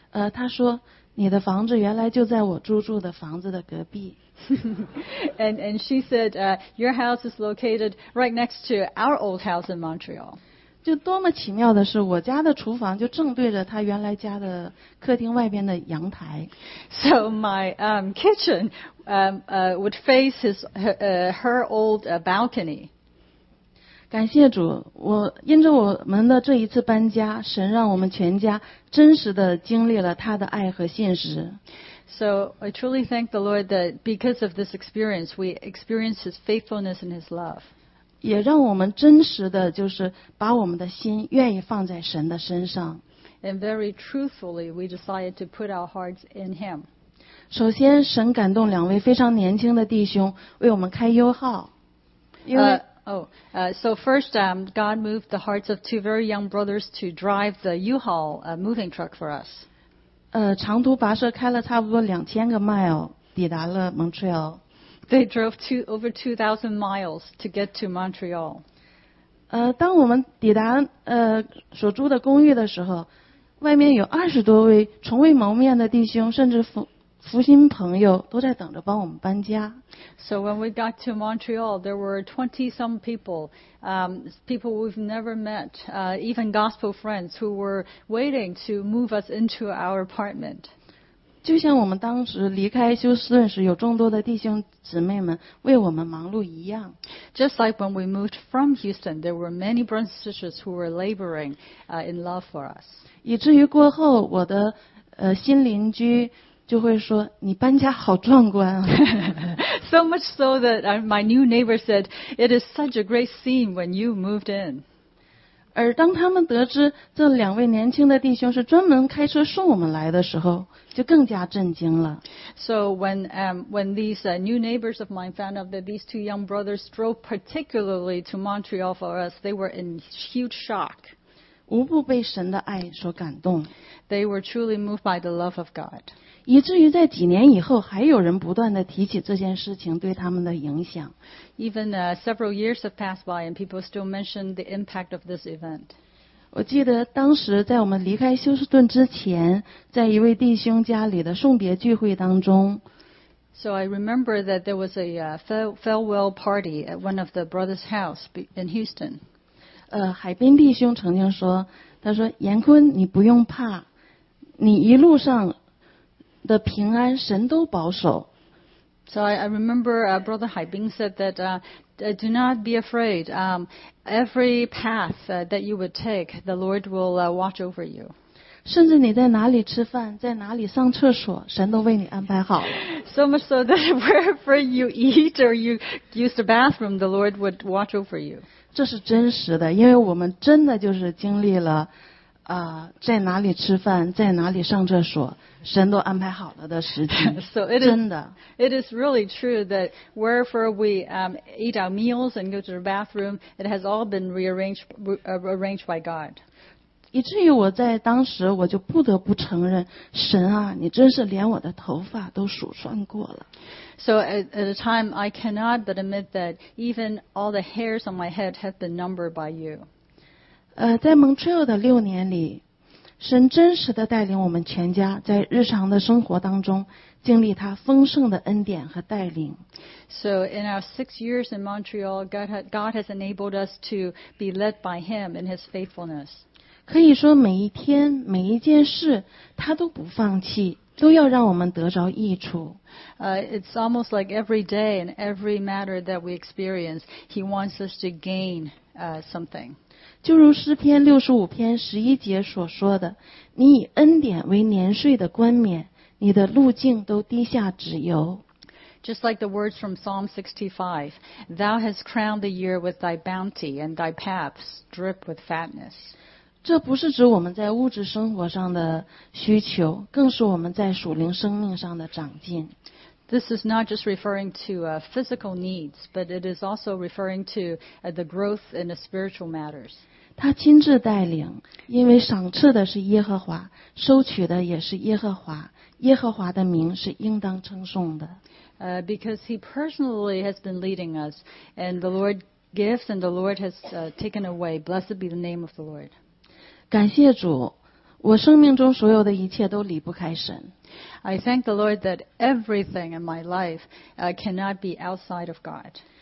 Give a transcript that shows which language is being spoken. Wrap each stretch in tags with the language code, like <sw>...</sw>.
<zh>她说你的房子原来就在我租住的房子的隔壁。</zh> <en>and she said, your house is located right next to our old house in Montreal.</en> <zh>就多么奇妙的是，我家的厨房就正对着她原来家的客厅外边的阳台。</zh> <en>So my kitchen would face her old balcony.</en> <zh>感谢主，我因着我们的这一次搬家，神让我们全家真实的经历了他的爱和信实。</zh> <en>So I truly thank the Lord that because of this experience, we experienced His faithfulness and His love.</en> <zh>也让我们真实的就是把我们的心愿意放在神的身上。</zh> <en>And very truthfully, we decided to put our hearts in Him.</en> <zh>首先，神感动两位非常年轻的弟兄为我们开优号，因为。</zh> <en>So first, God moved the hearts of two very young brothers to drive the U-Haul moving truck for us.</en> <zh>长途跋涉开了差不多2000个 mile 抵达了 Montreal.</zh> <en>They drove over 2,000 miles to get to Montreal.</en> <zh>当我们抵达所住的公寓的时候，外面有20多位从未谋面的弟兄，甚至福音朋友都在等着帮我们搬家。</zh> <en>So when we got to Montreal, there were 20-some people we've never met, even gospel friends who were waiting to move us into our apartment.</en> <zh>就像我们当时离开休斯顿时，有众多的弟兄姊妹们为我们忙碌一样。</zh> <en>Just like when we moved from Houston, there were many brothers and sisters who were laboring in love for us.</en> <zh>以至于过后，我的新邻居就会说你搬家好壮观啊。</zh> <en>So much so that my new neighbor said, it is such a great scene when you moved in.</en> <zh>而当他们得知这两位年轻的弟兄是专门开车送我们来的时候，就更加震惊了。</zh> <en>So when these new neighbors of mine found out that these two young brothers drove particularly to Montreal for us, they were in huge shock.</en> <zh>无不被神的爱所感动。</zh> <en>They were truly moved by the love of God.</en> <zh>以至于在几年以后还有人不断地提起这件事情对他们的影响。</zh> <en>Even several years have passed by and people still mention the impact of this event.</en> <zh>我记得当时在我们离开休斯顿之前，在一位弟兄家里的送别聚会当中。</zh> <en>So I remember that there was a farewell party at one of the brothers' house in Houston.</en> <zh>海滨弟兄曾经说，他说严坤你不用怕，你一路上的平安神都保守。</zh> <en>So I remember Brother Haibing said that do not be afraid. Every path that you would take, the Lord will watch over you.</en> <zh>甚至你在哪里吃饭，在哪里上厕所，神都为你安排好了。</zh> <en>So much so that wherever you eat or you use the bathroom, the Lord would watch over you.</en> <zh>这是真实的，因为我们真的就是经历了在哪里吃饭，在哪里上厕所，神都安排好了的时间。</zh> <en>So it is,</en> <zh>真的。</zh> <en>It is really true that wherever we eat our meals and go to the bathroom, it has all been rearranged by God.</en> <zh>以至于我在当时我就不得不承认，神啊，你真是连我的头发都数算过了。</zh> <en>So at a time I cannot but admit that even all the hairs on my head have been numbered by you.</en> <zh>在蒙特利尔的六年里，神真实的带领我们全家在日常的生活当中经历他丰盛的恩典和带领。</zh> <en>So in our 6 years in Montreal, God has enabled us to be led by Him in His faithfulness.</en> <zh>可以说每一天每一件事他都不放弃，都要让我们得着益处。</zh> <en>It's almost like every day and every matter that we experience, He wants us to gain something.</en> <zh>就如诗篇65篇11节所说的，你以恩典为年岁的冠冕，你的路径都低下脂油。</zh> <en>Just like the words from Psalm 65, Thou hast crowned the year with thy bounty, and thy paths drip with fatness.</en> <zh>这不是指我们在物质生活上的需求，更是我们在属灵生命上的长进。</zh> <en>This is not just referring to physical needs, but it is also referring to the growth in the spiritual matters.</en> <zh>他亲自带领，因为赏赐的是耶和华，收取的也是耶和华，耶和华的名是应当称颂的。</zh> <en>Because he personally has been leading us, and the Lord gives and the Lord has taken away. Blessed be the name of the Lord.</en> <zh>感谢主，我生命中所有的一切都离不开神。</zh> <en>I thank the Lord that everything in my life cannot be outside of God.</en>